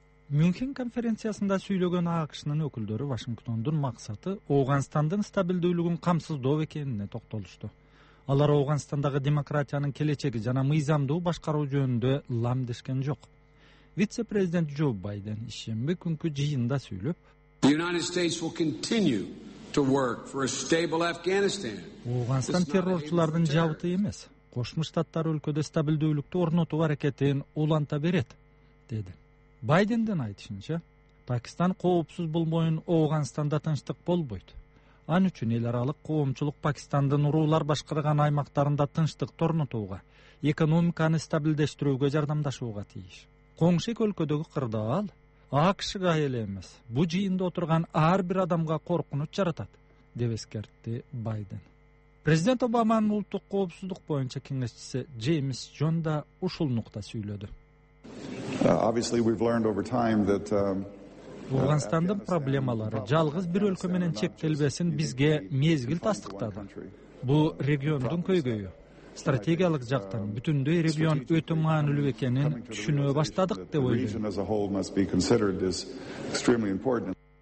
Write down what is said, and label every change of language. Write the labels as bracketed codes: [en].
[ky] Мюнхен конференциясында сүйлөгөн АКШнын өкүлдөрү Вашингтондун максаты Ооганстандын стабилдүүлүгүн камсыздоо экенине токтолушту. Алар Ооганстандагы демократиянын келечеги жана мыйзамдуу башкаруу жөнүндө лам дешкен жок. Вице президент Джо Байден ишемби күнкү жыйында сүйлөп, [en] The United States will continue to work for a stable Afghanistan. [ky] Ооганстан террорчулардын жабыты эмес, Кошмо Штаттар өлкөдө стабилдүүлүктү орнотуу аракетин уланта берет, деди. Байдендин айтышынча, Пакистан коопсуз болбоюн Ооганстанда тынчтык болбойт. Ан үчүн эл аралык коомчулук Пакистандын уруулар башкарган аймактарында тынчтыкты орнотууга, экономиканы стабилдештирүүгө жардамдашууга тийиш. Коңшу өлкөдөгү кырдаал АКШга эле эмес, бул жыйында отурган ар бир адамга коркунуч жаратат, деп эскертти Байден. Президент Обаманын улуттук коопсуздук боюнча кеңешчиси Джеймс Джон да ушул нукта сүйлөдү. [en] Obviously we've learned over time that [ky] Ооганстандын проблемалары жалгыз бир өлкө менен чектелбесин бизге мезгил тастыктады. Бул региондун көйгөйү. Стратегиялык жактан бүтүндөй регион өтө маанилүү экенин түшүнө баштадык деп ойлойм,